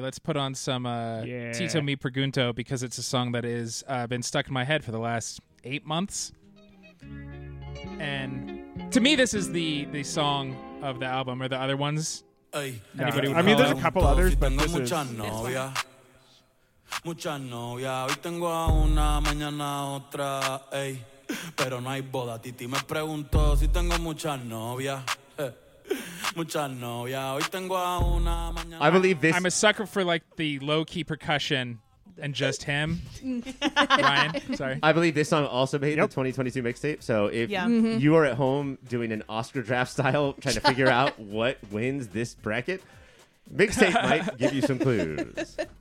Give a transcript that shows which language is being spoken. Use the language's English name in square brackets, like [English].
[English] Let's put on some Tito Me Pregunto, because it's a song that has been stuck in my head for the last 8 months. And to me, this is the song of the album, or the other ones. Anybody would there's a couple others, but this is... [Spanish] Mucha novia, hoy tengo a una, mañana otra, ey. Pero no hay boda, Titi me preguntó si tengo mucha novia. [English] I believe this. I'm a sucker for like the low key percussion and just him. Ryan, sorry. I believe this song also made the 2022 mixtape. So if you are at home doing an Oscar draft style, trying to figure out what wins this bracket, mixtape might give you some clues.